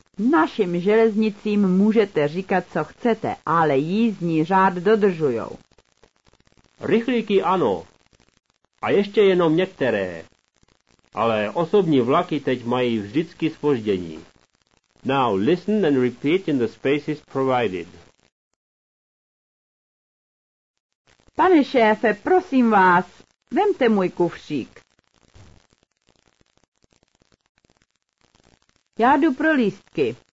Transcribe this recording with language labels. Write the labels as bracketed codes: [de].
[cs] Našim železnicím můžete říkat, co chcete, ale jízdní řád dodržujou. Rychlíky ano. A ještě jenom některé. Ale osobní vlaky teď mají vždycky zpoždění. [en] Now listen and repeat in the spaces provided. [cs] Pane šéfe, prosím vás, vemte můj kufřík. Já jdu pro lístky.